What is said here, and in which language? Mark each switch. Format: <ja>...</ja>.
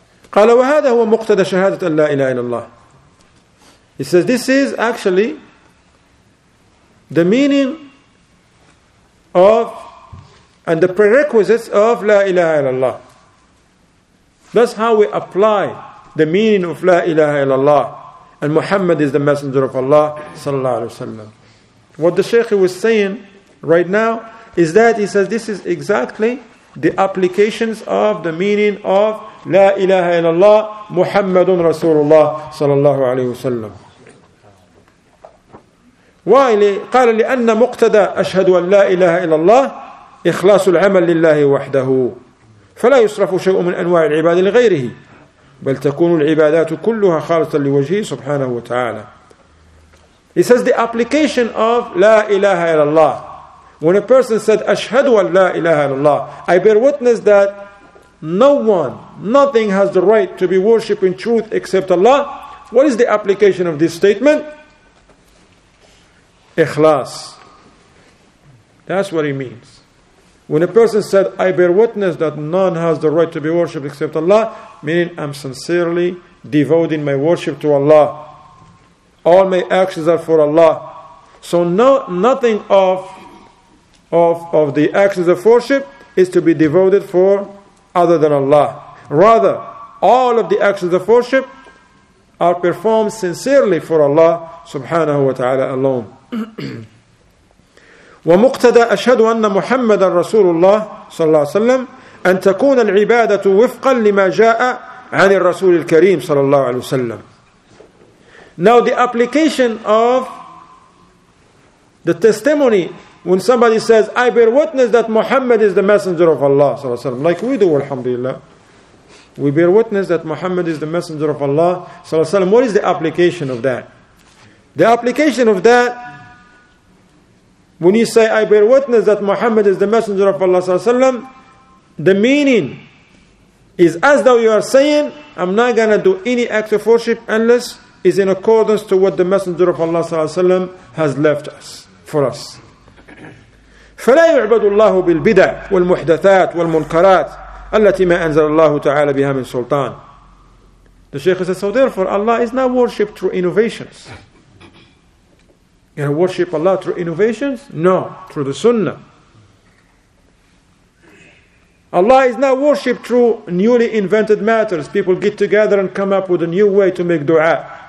<ar>قال وهذا هو مقتدى شهادة أن لا إله إلا الله.</ar> <en>He says this is actually the meaning of and the prerequisites of La ilaha illallah. That's how we apply the meaning of La ilaha illallah. And Muhammad is the messenger of Allah sallallahu alaihi wasallam. What the Shaykh was saying right now is that he says this is exactly the applications of the meaning of La ilaha illallah, Muhammadun Rasulullah sallallahu alaihi wasallam. Why?</en> <ar>قال لأن مقتدى أشهد أن لا إله إلا الله إخلاص العمل لله وحده فلا يصرف شيء من أنواع العبادة لغيره بل تكون العبادات كلها خالصة لوجهه سبحانه وتعالى.</ar> <en>He says the application of</en> <ar>لا إله إلا الله.</ar> <en>When a person said</en> <ar>أشهد أن لا إله إلا الله,</ar> <en>I bear witness that no one, nothing has the right to be worshipped in truth except Allah. What is the application of this statement? إخلاص. That's what he means. When a person said, I bear witness that none has the right to be worshipped except Allah, meaning I'm sincerely devoting my worship to Allah. All my actions are for Allah. So nothing of the actions of worship is to be devoted for other than Allah. Rather, all of the actions of worship are performed sincerely for Allah subhanahu wa ta'ala alone.</en> <ar>ومقتدى أشهد أن محمد رسول الله صلى الله عليه وسلم أن تكون العبادة وفقا لما جاء عن الرسول الكريم صلى الله عليه وسلم.</ar> <en>Now the application of the testimony when somebody says I bear witness that Muhammad is the messenger of Allah</en> <ar>صلى الله عليه وسلم,</ar> <en>like we do alhamdulillah, we bear witness that Muhammad is the messenger of Allah صلى الله عليه وسلم. What is the application of that? The application of that, when you say, I bear witness that Muhammad is the messenger of Allah sallallahu alaihi wasallam, the meaning is as though you are saying, I'm not going to do any act of worship unless it's in accordance to what the messenger of Allah sallallahu alaihi wasallam has left us, for us.</en> <ar>فَلَا يُعْبَدُ اللَّهُ بِالْبِدَعْ وَالْمُحْدَثَاتِ وَالْمُنْكَرَاتِ التي ما أنزل الله تعالى بها من سلطان.</ar> <en>The Shaykh says, so therefore Allah is not worshipped through innovations. You worship Allah through innovations? No, through the Sunnah. Allah is not worshipped through newly invented matters. People get together and come up with a new way to make dua.</en>